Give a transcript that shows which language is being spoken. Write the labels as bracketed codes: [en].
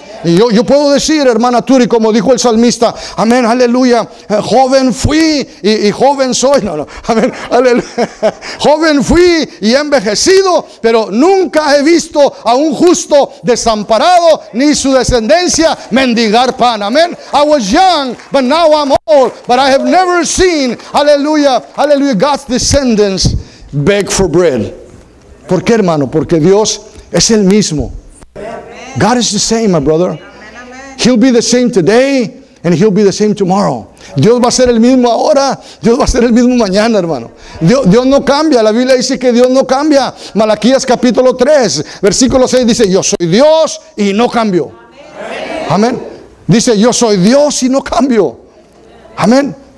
[es] Y yo puedo decir, hermana Turi, como dijo el salmista, amén, aleluya, joven fui y joven soy, no, amén, aleluya, joven fui y he envejecido, pero nunca he visto a un justo desamparado, ni su descendencia mendigar pan, amén. [en] I was young, but now I'm old, but I have never seen, aleluya, aleluya, God's descendants beg for bread. [es] ¿Por qué, hermano? Porque Dios es el mismo. [en] God is the same, my brother. He'll be the same today, and he'll be the same tomorrow. [es] Dios va a ser el mismo ahora, Dios va a ser el mismo mañana, hermano. Dios no cambia, la Biblia dice que Dios no cambia. Malaquías capítulo 3, versículo 6 dice, yo soy Dios y no cambio. Amén. Dice, yo soy Dios y no cambio. Amén.